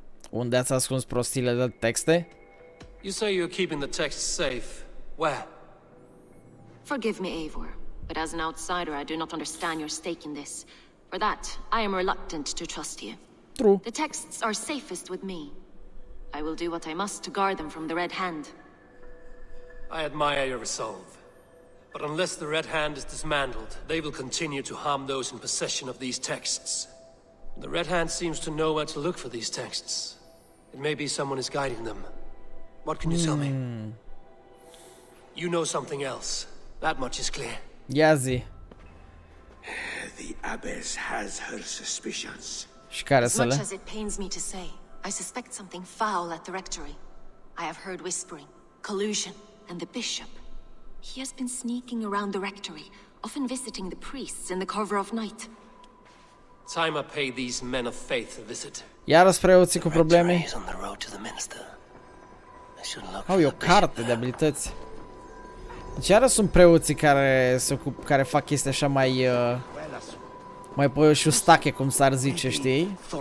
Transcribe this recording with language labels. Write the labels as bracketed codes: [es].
[ro] Unde ați ascuns prostiile de texte? [en] You say you're keeping the texts safe. Where? Forgive me, Eivor, but as an outsider, I do not understand your stake in this. For that, I am reluctant to trust you. True. The texts are safest with me. I will do what I must to guard them from the Red Hand. I admire your resolve. But unless the Red Hand is dismantled, they will continue to harm those in possession of these texts. The Red Hand seems to know where to look for these texts. It may be someone is guiding them. What can you tell me? You know something else. That much is clear. Yazi. The Abbess has her suspicions. As much as it pains me to say, I suspect something foul at the rectory. I have heard whispering, collusion, and the bishop. He has been sneaking around the rectory, often visiting the priests in the cover of night. Time I pay these men of faith a visit. [ro] Iarăși preoții cu probleme. [en] He's on the road to the minister. [ro] Au o carte de abilități. Deci iarăși sunt preoții care se ocup, care fac chestia așa mai mai pe și ustache, cum s-ar zice, știi?